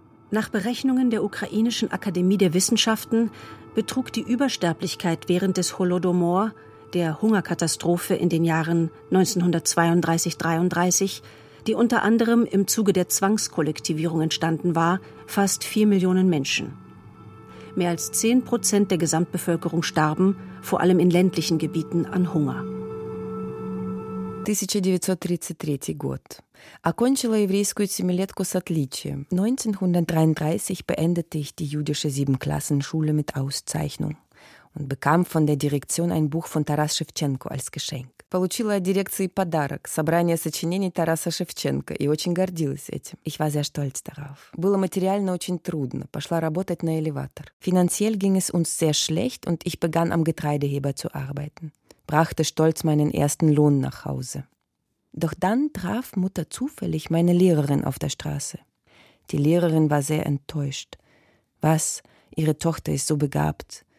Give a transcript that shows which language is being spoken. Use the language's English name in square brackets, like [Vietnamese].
[German] Nach Berechnungen der ukrainischen Akademie der Wissenschaften betrug die Übersterblichkeit während des Holodomor, der Hungerkatastrophe in den Jahren 1932-33, die unter anderem im Zuge der Zwangskollektivierung entstanden war, fast 4 Millionen Menschen. Mehr als 10% der Gesamtbevölkerung starben, vor allem in ländlichen Gebieten, an Hunger. [Russian] 1933 год. Окончила еврейскую семилетку с отличием. [German] 1933 beendete ich die jüdische Siebenklassenschule mit Auszeichnung und bekam von der Direktion ein Buch von Taras Schewtschenko als Geschenk. [Russian] Получила от дирекции подарок – собрание сочинений Тараса Шевченко, и очень гордилась этим. [German] Ich war sehr stolz darauf. [Russian] Было материально очень трудно. Пошла работать на элеватор. [German] Finanziell ging es uns sehr schlecht und ich begann am Getreideheber zu arbeiten. Brachte stolz meinen ersten Lohn nach Hause. Doch dann traf Mutter zufällig meine Lehrerin auf der Straße. Die Lehrerin war sehr enttäuscht. Was? Ihre Tochter ist so begabt.